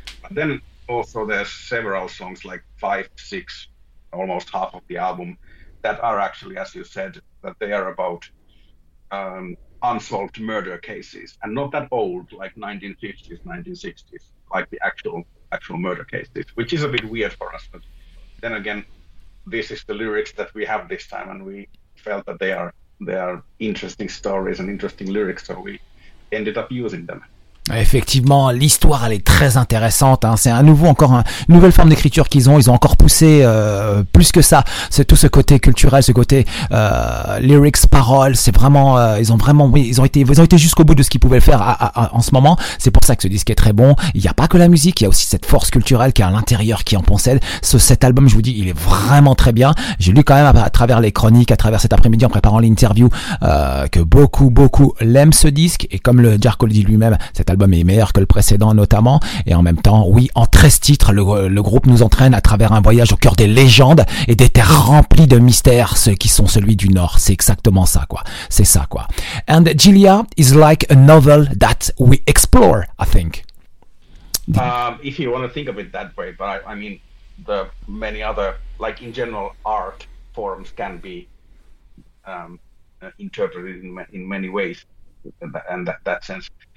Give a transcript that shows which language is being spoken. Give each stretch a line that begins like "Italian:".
English: But then also there's several songs, like 5-6, almost half of the album, that are actually, as you said, that they are about unsolved murder cases, and not that old, like 1950s, 1960s, like the actual murder cases, which is a bit weird for us. But then again, this is the lyrics that we have this time, and we felt that they are interesting stories and interesting lyrics, so we ended up using them.
French: Effectivement, l'histoire elle est très intéressante, hein. C'est à nouveau encore une nouvelle forme d'écriture qu'ils ont. Ils ont encore poussé plus que ça. C'est tout ce côté culturel, ce côté lyrics, paroles. C'est vraiment, ils ont été jusqu'au bout de ce qu'ils pouvaient faire en ce moment. C'est pour ça que ce disque est très bon. Il n'y a pas que la musique, il y a aussi cette force culturelle qui est à l'intérieur qui en possède. Cet album, je vous dis, il est vraiment très bien. J'ai lu quand même à travers les chroniques, à travers cet après-midi en préparant l'interview, que beaucoup l'aiment ce disque. Et comme le Jarko dit lui-même, cet album est meilleur que le précédent notamment. Et en même temps, oui, en 13 titres, le groupe nous entraîne à travers un voyage au cœur des légendes et des terres remplies de mystères, ceux qui sont celui du Nord. C'est exactement ça, quoi. C'est ça, quoi.
English: And Gilia is like a novel that we explore, I think. If you want to think of it that way, but I mean, the many other, like in general, art forms can be interpreted in many ways, and that sense.